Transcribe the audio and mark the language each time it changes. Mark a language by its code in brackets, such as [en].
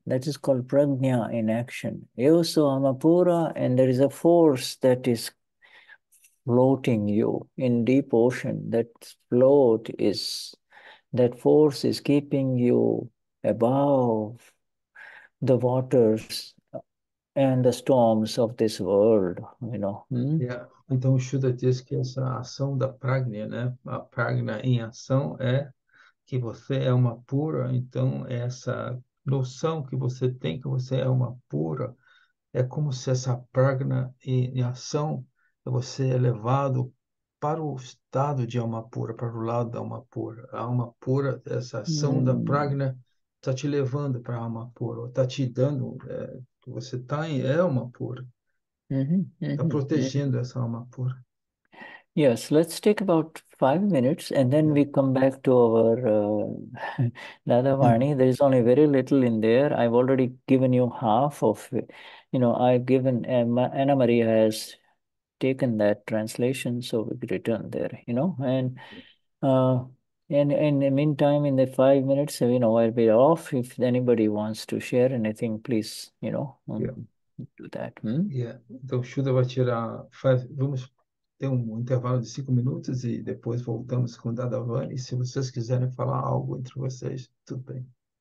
[en] That is called prajna in action. [pt] Eu sou Amapura, [en] and there is a force that is floating you in deep ocean. That force is keeping you above the waters and the storms of this world, you know. [pt] Então o Shuddha diz que essa ação da pragna, né? A pragna em ação é que você é uma pura, então essa noção que você tem que você é uma pura é como se essa pragna em ação você é levado para o estado de alma pura, para o lado da alma pura. A alma pura, essa ação da pragna, está te levando para a alma pura, está te dando, você está em alma pura, está protegendo essa alma pura. [en] Yes, let's take about 5 minutes and then we come back to our Dadavani. There is only very little in there. I've already given you half of it. You know, I've given, Anna Maria has taken that translation, so we could return there, you know, and in the meantime, in the 5 minutes, you know, I'll be off. If anybody wants to share anything, please, you know. Yeah. do that. [pt] Então, Shuddha vai tirar. Vamos ter um intervalo de 5 minutos e depois voltamos com Dadavani. E se vocês quiserem falar algo entre vocês, tudo bem.